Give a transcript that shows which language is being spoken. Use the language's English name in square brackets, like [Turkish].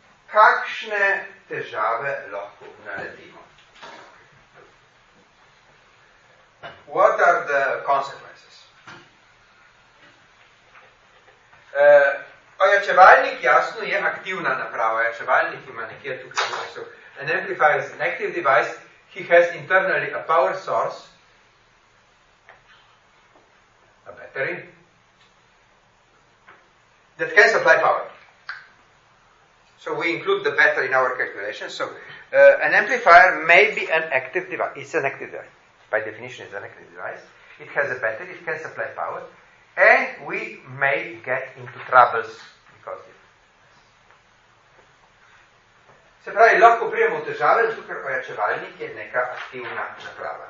[Slovenian] Kakšne težave lahko naredimo? [English] What are the consequences? [Slovenian] Ojačevalnik, jasno, je aktivna naprava. Ojačevalnik ima nekje tukaj v času. [English] An amplifier is an active device. He has internally a power source. Battery that can supply power. So we include the battery in our calculation. So an amplifier may be an active device. It's an active device. By definition, it's an active device. It has a battery, it can supply power, and we may get into troubles because of it. [Slovenian] Se pravi, lahko prijemo težave, zato ker ojačevalnik je neka aktivna naprava.